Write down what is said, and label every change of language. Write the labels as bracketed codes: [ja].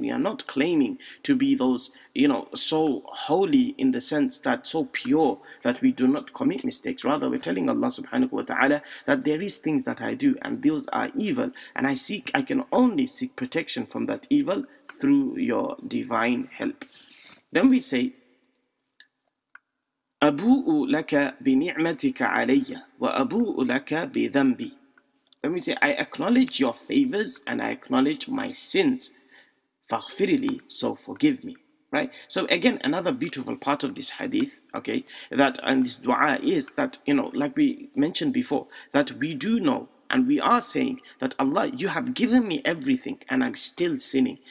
[en] We are not claiming to be those, you know, so holy in the sense that so pure that we do not commit mistakes. Rather, we're telling Allah subhanahu wa ta'ala that there is things that I do and those are evil, and I can only seek protection from that evil through your divine help. Then we say, [ar] أَبُوءُ لَكَ بِنِعْمَتِكَ عَلَيَّ وَأَبُوءُ لَكَ بِذَنْبِي. [en] Then we say, I acknowledge your favors and I acknowledge my sins. [ar] فَغْفِرْ لِي, [en] so forgive me. Right? So again, another beautiful part of this hadith, okay, that and this dua is that, you know, like we mentioned before, that we do know And we are saying that, Allah, you have given me everything and I'm still sinning.